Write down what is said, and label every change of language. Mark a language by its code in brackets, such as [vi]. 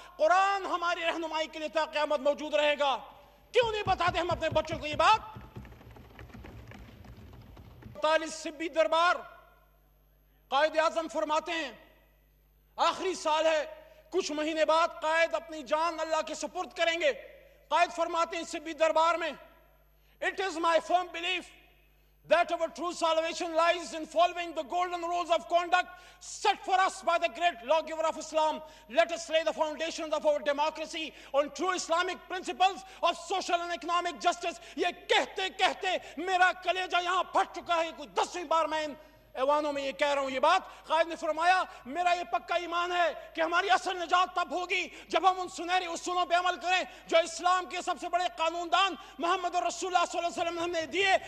[ur] قرآن ہماری رہنمائی کے لیے تا قیامت موجود رہے گا. کیوں نہیں بتاتے ہم اپنے بچوں کو یہ بات؟ 40 سبی دربار، قائد اعظم فرماتے ہیں آخری سال ہے، کچھ مہینے بعد قائد اپنی جان اللہ کے سپرد کریں گے. قائد فرماتے ہیں سبی دربار میں، [en] It is my firm belief that our true salvation lies in following the golden rules of conduct set for us by the great lawgiver of Islam. Let us lay the foundations of our democracy on true Islamic principles of social and economic justice. [ur] یہ کہتے کہتے میرا کلیجہ یہاں پھٹ چکا ہے. کوئی 10ویں بار میں ان ایوانوں میں یہ کہہ رہا ہوں. یہ بات قائد نے فرمایا، میرا یہ پکا ایمان ہے کہ ہماری اصل نجات تب ہوگی جب ہم ان سنہری اصولوں پہ عمل کریں جو اسلام کے سب سے بڑے قانون دان محمد رسول اللہ صلی اللہ علیہ وسلم نے دیے.